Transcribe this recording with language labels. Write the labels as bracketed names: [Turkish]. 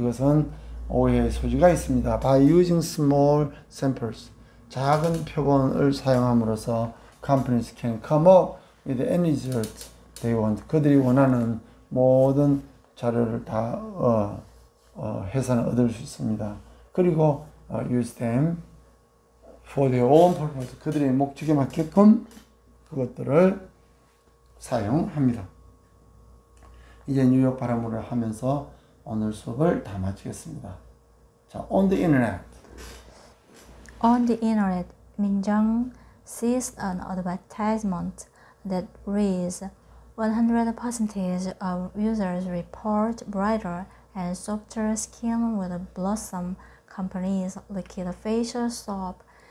[Korean] 이것은 오해의 소지가 있습니다. [English] By using small samples, [Korean] 작은 표본을 사용함으로써 [English] companies can come up with any results they want. [Korean] 그들이 원하는 모든 자료를 다 회사는 얻을 수 있습니다. 그리고 [English] use them for their own purpose. [Korean] 그들의 목적에 맞게끔 그것들을 사용합니다. 이제 뉴욕 발음으로 하면서 오늘 수업을 다 마치겠습니다. 자, [English] on the internet. On the internet, Minjung sees an advertisement that reads 100% of users report brighter and softer skin with Blossom Company's liquid facial soap.